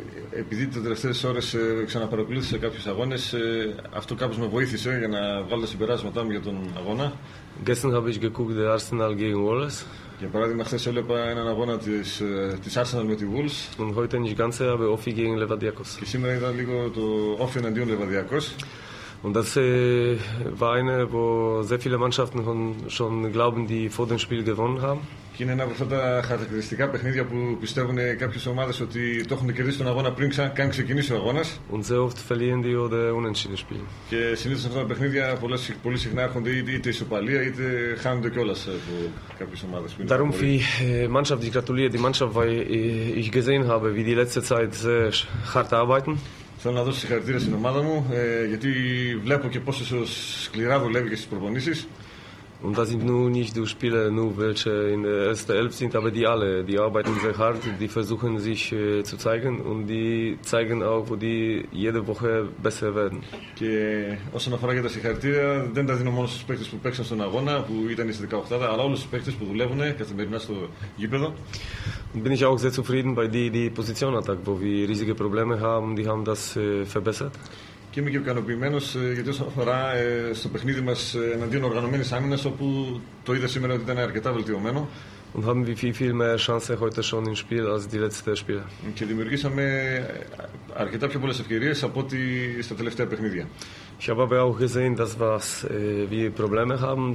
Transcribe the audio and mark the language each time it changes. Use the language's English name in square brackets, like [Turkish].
[Greek] Επειδή τις τελευταίες ώρες ξαναπαρακολούθησα κάποιους αγώνες, αυτό κάπως με βοήθησε για να βγάλω τα συμπεράσματά μου για τον αγώνα. [German] Gestern habe ich geguckt, der Arsenal gegen Wolves. [Greek] Για παράδειγμα, χθες έβλεπα έναν αγώνα της Arsenal με τη Wolves. [German] Und heute nicht ganz, aber Offi gegen Levadiakos. [Greek] Και σήμερα ήταν λίγο το Offi εναντίον Levadiakos. [German] Und das war eine, wo sehr viele Mannschaften schon glauben, die vor dem Spiel gewonnen haben. [Greek] Και είναι ένα από αυτά τα χαρακτηριστικά παιχνίδια που πιστεύουν κάποιες ομάδες ότι το έχουν κερδίσει τον αγώνα πριν καν ξεκινήσει ο αγώνας. [German] Und sehr oft verlieren die oder unentschieden spielen. [Greek] Και συνήθως αυτά τα παιχνίδια πολύ συχνά έρχονται είτε ισοπαλία είτε χάνονται κιόλας από κάποιες ομάδες. [German] Darum für die Mannschaft, ich gratuliere die Mannschaft, weil ich gesehen habe, wie die letzte Zeit sehr hart arbeiten. [Greek] Θέλω να δώσω συγχαρητήρια στην ομάδα μου, γιατί βλέπω και πόσο σκληρά δουλεύει και στις προπονήσεις. [German] Und das sind nur nicht die Spieler, nur welche in der ersten Elf sind, aber die alle. Die arbeiten sehr hart, die versuchen sich zu zeigen und die zeigen auch, wo die jede Woche besser werden. [Greek] Και όσον αφορά για τα συγχαρητήρια, δεν τα δίνω μόνο στους παίκτες που παίξαν στον αγώνα, που ήταν στις 18, αλλά όλους τους παίκτες που δουλεύουν καθημερινά στο γήπεδο. [German] Und bin ich auch sehr zufrieden bei die Positionattack, wo wir riesige Probleme haben, die haben das verbessert. [Greek] Και είμαι και ικανοποιημένος γιατί όσον αφορά στο παιχνίδι μας εναντίον οργανωμένης άμυνας, όπου το είδα σήμερα ότι ήταν αρκετά βελτιωμένο. [German] Und haben wir viel, viel mehr Chance heute schon im Spiel als die letzte Spiele. [Greek] Και δημιουργήσαμε αρκετά πιο πολλές ευκαιρίες από ό,τι στα τελευταία παιχνίδια. [German] Ich habe aber auch gesehen, dass wir Probleme haben.